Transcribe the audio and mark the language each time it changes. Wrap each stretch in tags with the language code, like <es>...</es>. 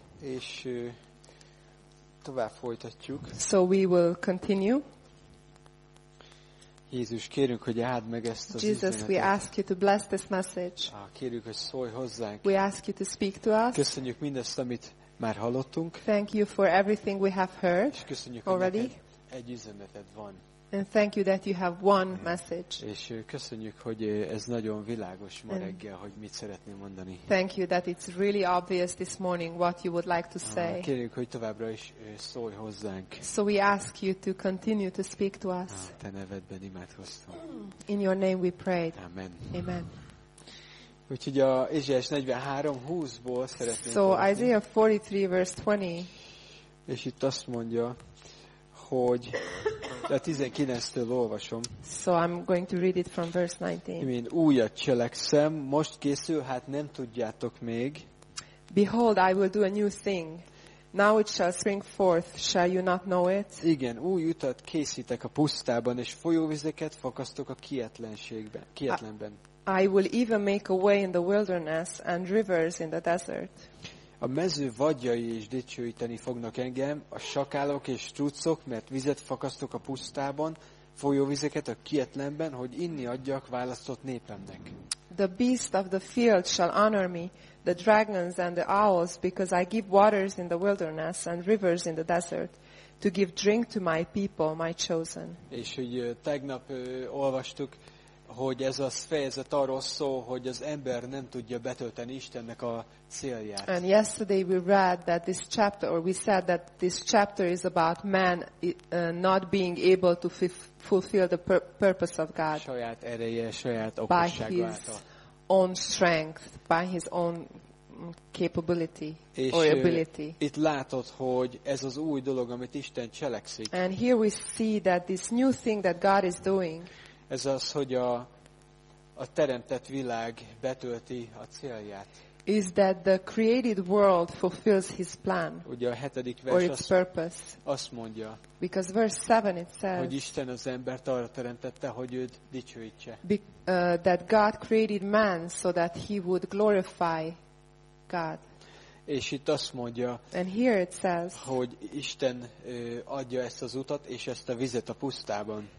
<hu>És tovább folytatjuk.</hu> <en>So we will continue.</en> <hu>Jézus, kérünk, hogy áld meg ezt az</hu> <en>Jesus,</en> <hu>üzenetet.</hu> <en>We ask you to bless this message.</en> <hu>Kérünk, hogy szólj hozzánk.</hu> <en>We ask you to speak to us.</en> <hu>Köszönjük mindezt, amit már hallottunk.</hu> <en>Thank you for everything we have heard.</en> <hu>És köszönjük,</hu> <en>already.</en> <hu>Hogy egy üzeneted van.</hu> <en>And thank you that you have one message.</en> <hu>És köszönjük, hogy ez nagyon világos ma reggel, hogy mit szeretném mondani.</hu> <en>Thank you that it's really obvious this morning what you would like to say.</en> <hu>Kérünk, hogy továbbra is szólj hozzánk.</hu> <en>So we ask you to continue to speak to us.</en> <hu>Te nevedben imádkoztunk.</hu> <en>In your name we prayed.</en> <hu>Amen.</hu> <en>Amen.</en> <hu>Úgyhogy a Ézsaiás 43:20-ból szeretném.</hu> <en>So Isaiah 43 verse 20.</en> <hu>És itt azt mondja, hogy a 19-től olvasom.</hu> <en>So I'm going to read it from verse 19.</en> <hu>Imént újat cselekszem, most készül, hát nem tudjátok még.</hu> <en>Behold, I will do a new thing. Now it shall spring forth, shall you not know it?</en> <hu>Igen, új utat készítek a pusztában, és folyóvizeket fakasztok a kietlenben.</hu> <en>I will even make a way in the wilderness and rivers in the desert.</en> <hu>A mező vadjai is dicsőíteni fognak engem, a sakálok és strucok, mert vizet fakasztok a pusztában, folyóvizeket a kietlenben, hogy inni adjak választott népemnek.</hu> <en>The beast of the field shall honor me, the dragons and the owls, because I give waters in the wilderness and rivers in the desert, to give drink to my people, my chosen.</en> <hu>És hogy tegnap olvastuk, hogy ez a fejezet arról szól, hogy az ember nem tudja betölteni Istennek a célját.</hu> <en>And yesterday we read that this chapter, or we said that this chapter is about man not being able to fulfill the purpose of God.</en> <hu>Saját ereje, saját okossága által.</hu> <en>By his own strength, by his own capability or ability.</en> <hu>Itt látod, hogy ez az új dolog, amit Isten cselekszik.</hu> <en>And here we see that this new thing that God is doing.</en> <hu>Ez az, hogy a teremtett világ betölti a célját.</hu> <en>Is that the created world fulfills his plan?</en> <hu>Ugye a hetedik vers azt mondja.</hu> <en>Because verse 7 it says.</en> <hu>Hogy Isten az embert arra teremtette, hogy őt dicsőítse.</hu> <en>That God created man so that he would glorify God.</en> <hu>És itt azt mondja,</hu> <en>and here it says,</en> <hu>hogy Isten adja ezt az utat és ezt a vizet a pusztában.</hu>